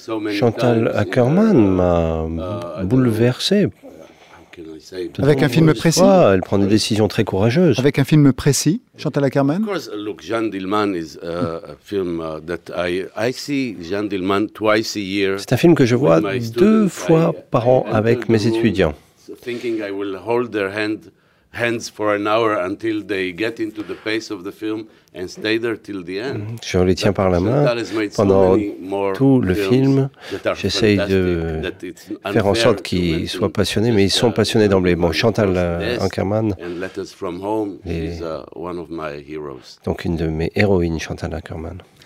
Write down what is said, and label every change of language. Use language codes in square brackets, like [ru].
[fr] Chantal Ackerman m'a bouleversé. Avec un film précis. Elle prend des décisions très courageuses. Avec un film précis, Chantal Ackerman. [en] Look, Jean Dillman is a film that I see Jean Dillman twice a year. [fr] C'est un film que je vois deux fois par an avec mes étudiants. [en] Thinking I will hold their hands for an hour until they get into the pace of the film and stay there till the end. [fr] Je les tiens par la main pendant tout le film. J'essaye de faire en sorte qu'ils soient passionnés, mais ils sont passionnés d'emblée. Bon, Chantal Ackerman [en] est one of my heroes. [fr] Donc une de mes héroïnes, Chantal Ackerman.